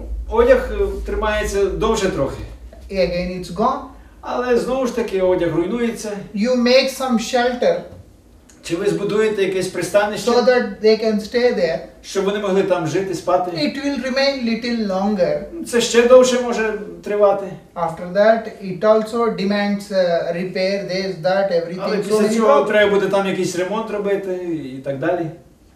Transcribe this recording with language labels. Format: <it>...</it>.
<uk>Одяг тримається довше трохи.</uk> <en>Again it's gone.</en> <uk>Але знову ж таки одяг руйнується.</uk> <en>You make some shelter.</en> <uk>Чи ви збудуєте якесь пристанище,</uk> <en>so that they can stay there,</en> <uk>щоб вони могли там жити, спати?</uk> <en>It will remain little longer.</en> <uk>Це ще довше може тривати.</uk> <en>After that, it also demands repair, this, that, everything.</en> <uk>Але після цього треба буде там якийсь ремонт робити і так далі.</uk>